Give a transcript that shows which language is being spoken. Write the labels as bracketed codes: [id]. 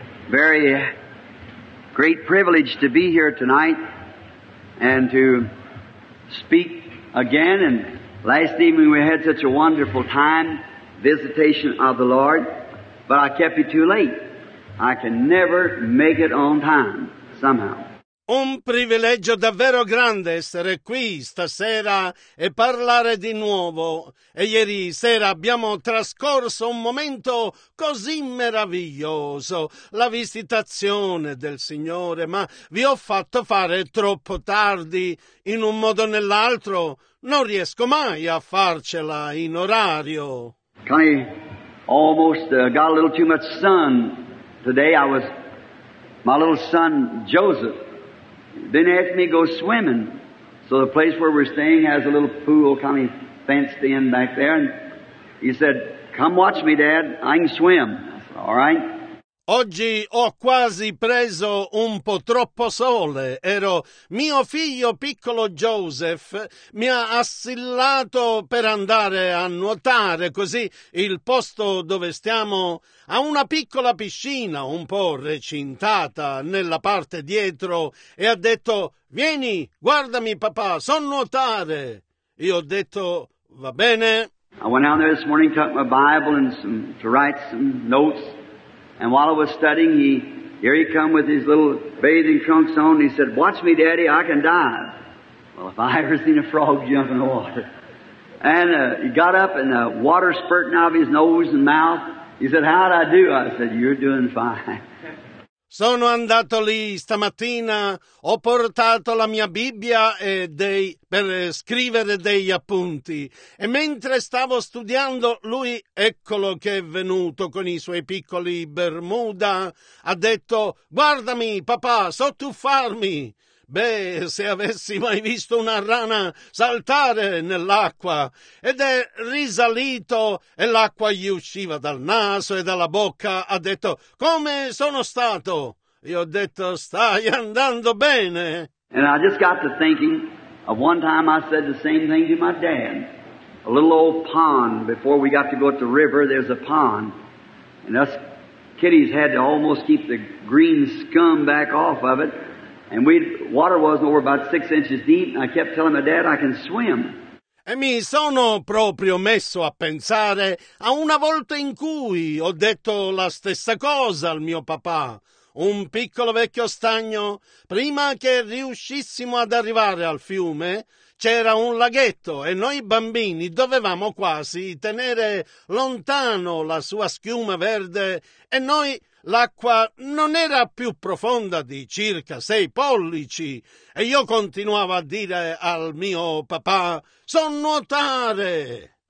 [en] Very great privilege to be here tonight and to speak again, and last evening we had such a wonderful time, visitation of the Lord, but I kept you too late. I can never make it on time, somehow. [it] Un privilegio davvero grande essere qui stasera e parlare di nuovo. E ieri sera abbiamo trascorso un momento così meraviglioso, la visitazione del Signore, ma vi ho fatto fare troppo tardi, in un modo o nell'altro. Non riesco mai a farcela in orario. [en] Connie almost got a little too much sun today. My little son Joseph then asked me to go swimming. So the place where we're staying has a little pool, Connie fenced in back there. And he said, come watch me, Dad, I can swim. I said, all right. [it] Oggi ho quasi preso un po' troppo sole. Ero mio figlio piccolo Joseph, mi ha assillato per andare a nuotare, così il posto dove stiamo ha una piccola piscina un po' recintata nella parte dietro e ha detto, vieni, guardami papà, so nuotare. Io ho detto, va bene. [en] I went out there this morning, took my Bible and to write some notes. And while I was studying, here he come with his little bathing trunks on. And he said, watch me, Daddy, I can dive. Well, if I ever seen a frog jump in the water. And he got up and the water spurting out of his nose and mouth. He said, how'd I do? I said, you're doing fine. [it] Sono andato lì stamattina, ho portato la mia Bibbia e per scrivere degli appunti. E mentre stavo studiando, lui, eccolo che è venuto con i suoi piccoli Bermuda, ha detto, guardami papà, so tuffarmi. Beh, se avessi mai visto una rana saltare nell'acqua. Ed è risalito e l'acqua gli usciva dal naso e dalla bocca. Ha detto, come sono stato? Io ho detto, stai andando bene. [en] And I just got to thinking of one time I said the same thing to my dad. A little old pond, before we got to go up the river, there's a pond. And us kiddies had to almost keep the green scum back off of it. And water wasn't over about 6 inches deep, and I kept telling my dad I can swim. [it] E mi sono proprio messo a pensare a una volta in cui ho detto la stessa cosa al mio papà. Un piccolo vecchio stagno, prima che riuscissimo ad arrivare al fiume, c'era un laghetto e noi bambini dovevamo quasi tenere lontano la sua schiuma verde e noi l'acqua non era più profonda di circa 6 pollici e io continuavo a dire al mio papà, so nuotare.